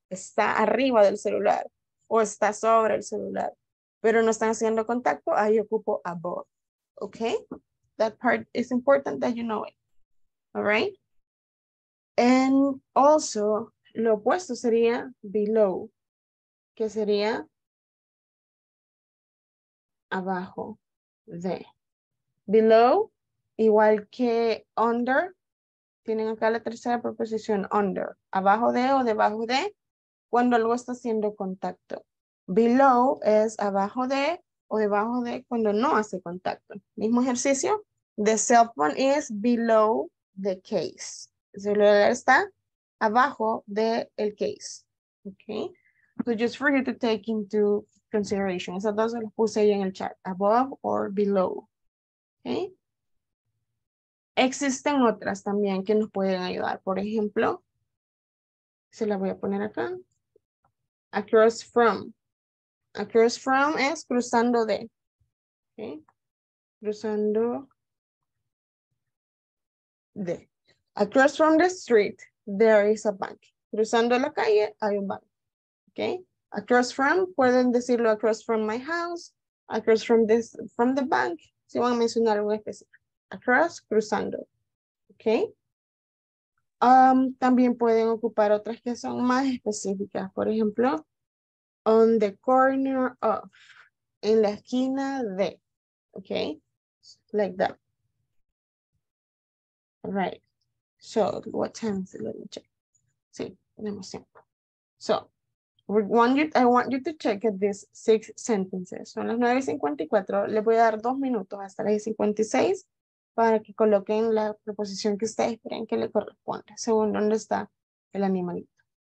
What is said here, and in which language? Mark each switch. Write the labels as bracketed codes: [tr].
[es] Está arriba del celular o está sobre el celular, pero no están haciendo contacto, ahí ocupo above, okay? [en] That part is important that you know it, all right? And also, [es] lo opuesto sería below, que sería abajo de. Below, igual que under, tienen acá la tercera preposición, under. Abajo de o debajo de, cuando algo está haciendo contacto. Below es abajo de o debajo de cuando no hace contacto. Mismo ejercicio. [en] The cell phone is below the case. [es] El celular está abajo del case. Okay. [en] So just for you to take into consideration. [es] Esas dos las puse ahí en el chat. [en] Above or below. [es] Okay. Existen otras también que nos pueden ayudar. Por ejemplo, se la voy a poner acá. [en] Across from. Across from [es] es cruzando de. [en] Okay. [es] Cruzando de. [en] Across from the street, there is a bank. [es] Cruzando la calle, hay un banco. [en] Okay? [es] Across from, pueden decirlo [en] across from my house, across from this, from the bank. [es] Si van a mencionar algo específico. Across, cruzando. Okay? También pueden ocupar otras que son más específicas. Por ejemplo, [en] on the corner of, [es] en la esquina de. Okay? [en] Like that. All right. So, what time is it? Let me check. [es] Sí, tenemos tiempo. [en] So, I want you to check at these six sentences. [es] Son las 9:54. Les voy a dar 2 minutos hasta las 10:56 para que coloquen la preposición que ustedes creen que le corresponde, según dónde está el animalito.